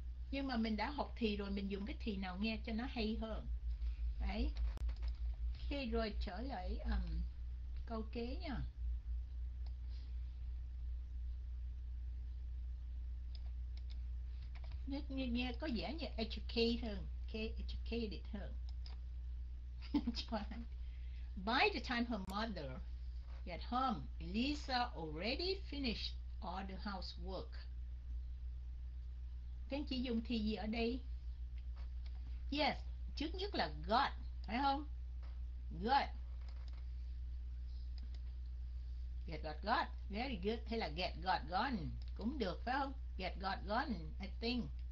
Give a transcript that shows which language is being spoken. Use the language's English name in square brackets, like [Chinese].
[Vietnamese] Nhưng mà mình đã học thì rồi, mình dùng cái thì nào nghe cho nó hay hơn. Đấy. Ok, rồi trở lại câu kế nha. Nghe có vẻ như educate hơn. Ok, educated hơn. [English] By the time her mother get home, Lisa already finished all the housework. [Vietnamese] Thế chị dùng thì gì ở đây? Yes, trước nhất là got, phải không? Got. [English] Get got. Very good. [Vietnamese] Hay là [English] get got gone [Vietnamese] cũng được, phải không? [English] Get got gone, I think.